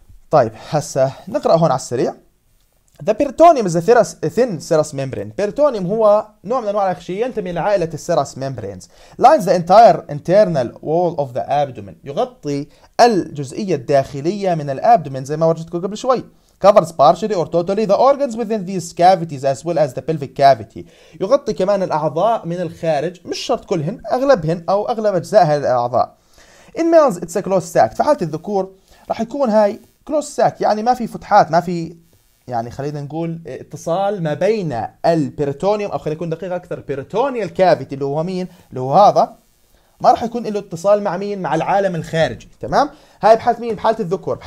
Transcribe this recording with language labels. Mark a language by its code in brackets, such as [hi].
[ar] طيب هسه نقرا هون على السريع. [en] The peritoneum is a thin serous membrane. [ar] Peritoneum هو نوع من أنواع الأغشية ينتمي إلى عائلة السيروس ميمبرينز. [en] Lines the entire internal wall of the abdomen. [ar] يغطي الجزئية الداخلية من الأبدومين زي ما ورجتكم قبل شوي. [en] Covers partially or totally the organs within these cavities as well as the pelvic cavity. [ar] يغطي كمان الأعضاء من الخارج، مش شرط كلهن، أغلبهن أو أغلب أجزاء هذه الأعضاء. [en] In males it's a close sac. [ar] في حالة الذكور راح يكون هاي كلوز ساك، يعني ما في فتحات، ما في يعني خلينا نقول اتصال ما بين البيريتونيوم، او خلينا نكون دقيق اكثر، بيريتونيال كافيتي اللي هو مين؟ اللي هو هذا، ما راح يكون له اتصال مع مين؟ مع العالم الخارجي، تمام؟ هاي بحاله مين؟ بحاله الذكور.